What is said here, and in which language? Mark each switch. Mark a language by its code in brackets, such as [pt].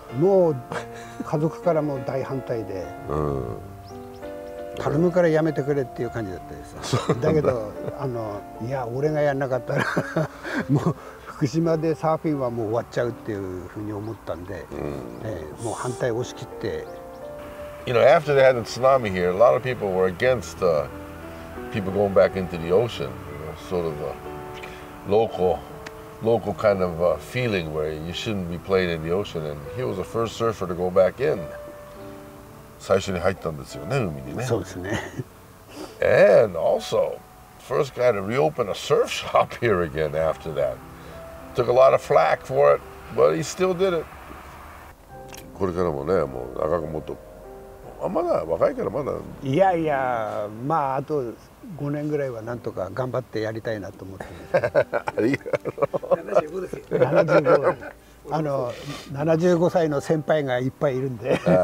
[ja] もう家族からも大反対で。うん、パルムからやめてくれっていう感じだったですよ。だけどあのいや俺がやんなかったらもう福島でサーフィンはもう終わっちゃうっていうふうに思ったんで、もう反対押し切って。 [en] You know, after they had the tsunami here, a lot of people were against people going back into the ocean. You know, sort of a local kind of feeling where you shouldn't be playing in the ocean. And he was the first surfer to go back in. [ja] 最初に入ったんですよね、海にね。そうですね。 [en] And also, first guy to reopen a surf shop here again after that. Took a lot of flack for it, but he still did it. [ja] これからもね、もう長くもっと。まだ若いからまだ。いやいや、まああと5年ぐらいはなんとか頑張ってやりたいなと思ってありがとう。 75です。 75。あの75歳の先輩がいっぱいいるんで。